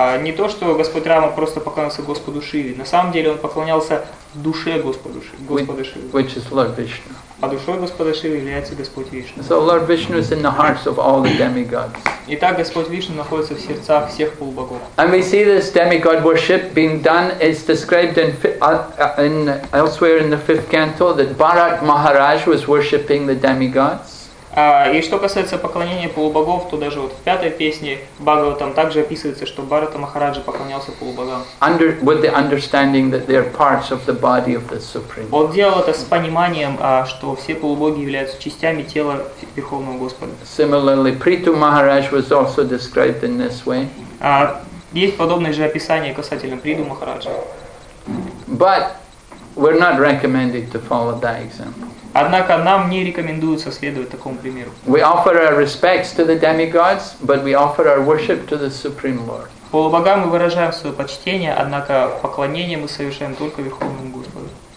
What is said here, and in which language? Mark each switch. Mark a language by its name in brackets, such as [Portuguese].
[Russian] Не то, что Господь Рама просто поклонялся Господу Шиве. На самом деле он поклонялся душе Господу Шивы. [English] Which is Lord Vishnu. [Russian] А душой Господа Шивы является Господь Вишну. [English] So Lord Vishnu is in the hearts of all the demigods. [Russian] Итак, Господь Вишну находится в сердцах всех полубогов. [English] And we see this demigod worship being done is described in elsewhere in the fifth canto that Bharat Maharaj was worshipping the demigods. [Russian] И что касается поклонения полубогов, то даже вот в пятой песне Бхагаватам также описывается, что Бхарата Махараджа поклонялся полубогам. [English] With the understanding that they are parts of the body of the Supreme. [Russian] Он делал это с пониманием, что все полубоги являются частями тела Верховного Господа. [English] Similarly, Prithu Maharaj was also described in this way. [Russian] Есть подобное же описание касательно Приду Махараджа. [English] But we're not recommended to follow that example. [Russian] Однако нам не рекомендуется следовать такому примеру. [English] We offer our respects to the demigods, but we offer our worship to the Supreme Lord. [Russian] Полубогам мы выражаем свое почтение, однако поклонение мы совершаем только Верховному Господу.